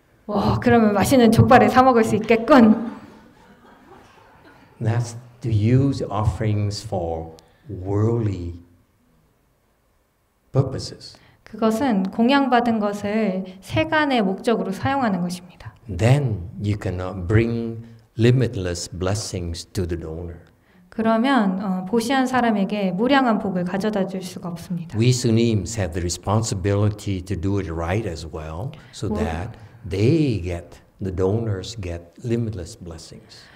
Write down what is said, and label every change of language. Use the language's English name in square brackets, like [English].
[Korean] 와, 그러면 맛있는 족발을 사 먹을 수 있겠군. [English] That's to use offerings for worldly purposes. [Korean] 그것은 공양 받은 것을 세간의 목적으로 사용하는 것입니다. [English] Then you cannot bring limitless blessings to the donor. [Korean] 그러면 보시한 사람에게 무량한 복을 가져다 줄 수가 없습니다. [English] We Sunims have the responsibility to do it right as well, so that they get the donors get limitless blessings.